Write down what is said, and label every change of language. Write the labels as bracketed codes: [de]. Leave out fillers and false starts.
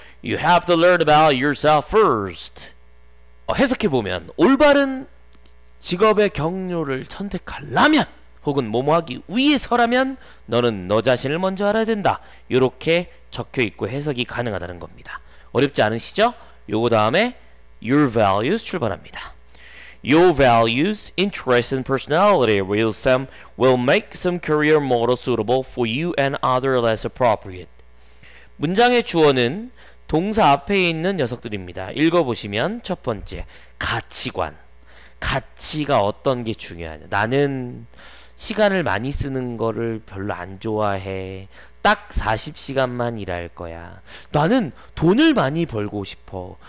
[en] You have to learn about yourself first. [ko] 해석해보면 올바른 직업의 경로를 선택하려면 혹은 뭐뭐하기 위해서라면 너는 너 자신을 먼저 알아야 된다. 이렇게 적혀있고 해석이 가능하다는 겁니다. 어렵지 않으시죠? 요거 다음에 [en] Your values [ko] 출발합니다. [en] Your values, interests, and personality will make some career model suitable for you and other less appropriate. [ko] 문장의 주어는 동사 앞에 있는 녀석들입니다. 읽어보시면 첫 번째, 가치관. 가치가 어떤 게 중요하냐. 나는 시간을 많이 쓰는 거를 별로 안 좋아해. 딱 40시간만 일할 거야. 나는 돈을 많이 벌고 싶어.